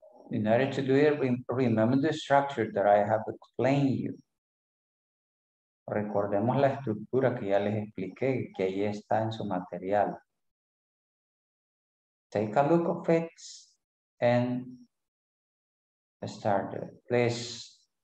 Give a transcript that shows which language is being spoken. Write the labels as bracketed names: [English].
[English] In order to do it, remember the structure that I have explained you. [Spanish] Recordemos la estructura que ya les expliqué, que ahí está en su material. [English] Take a look of it and start it, please.